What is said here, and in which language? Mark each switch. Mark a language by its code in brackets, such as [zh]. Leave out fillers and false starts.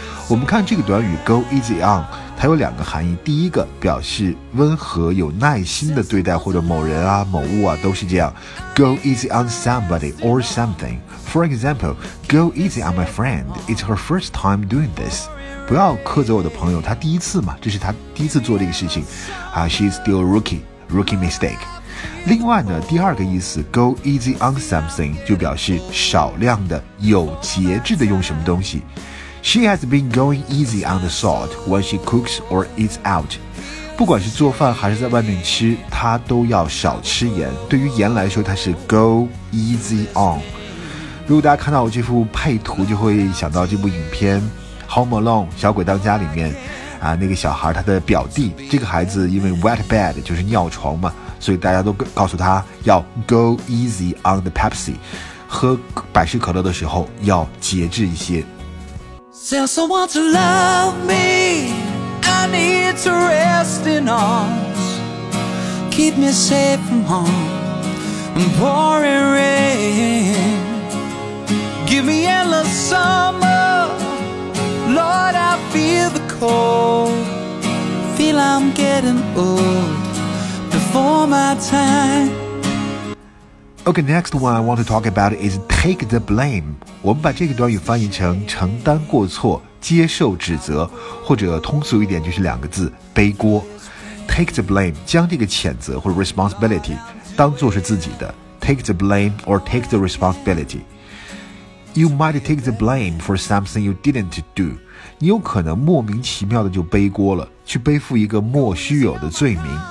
[zh] 我们看这个短语 go easy on， 它有两个含义。第一个表示温和有耐心的对待或者某人啊某物啊都是这样 [en] go easy on somebody or something。 For example， go easy on my friend， it's her first time doing this。 [zh] 不要苛责我的朋友，她第一次嘛，这是她第一次做这个事情啊。 [en] She's still rookie mistake。 [zh] 另外呢，第二个意思 go easy on something 就表示少量的有节制的用什么东西。 [en] She has been going easy on the salt when she cooks or eats out。 [zh] 不管是做饭还是在外面吃，她都要少吃盐。对于盐来说，它是 go easy on。如果大家看到我这幅配图，就会想到这部影片Home Alone 小鬼当家里面啊，那个小孩他的表弟，这个孩子因为 wet bed 就是尿床嘛，所以大家都告诉他要 [en] go easy on the Pepsi， [zh] 喝百事可乐的时候要节制一些。 [en] Tell someone to love me I need to rest in arms Keep me safe from harm I'm pouring rain Give me endless summerLord, I feel the cold Feel I'm getting old Before my time。 Okay, next one I want to talk about is take the blame。 [zh] 我们把这个短语翻译成承担过错，接受指责，或者通俗一点就是两个字，背锅。 [en] Take the blame， [zh] 将这个谴责或 responsibility 当作是自己的。 [en] Take the blame or take the responsibility。 You might take the blame for something you didn't do。 [zh] 你有可能莫名其妙的就背锅了，去背负一个莫须有的罪名。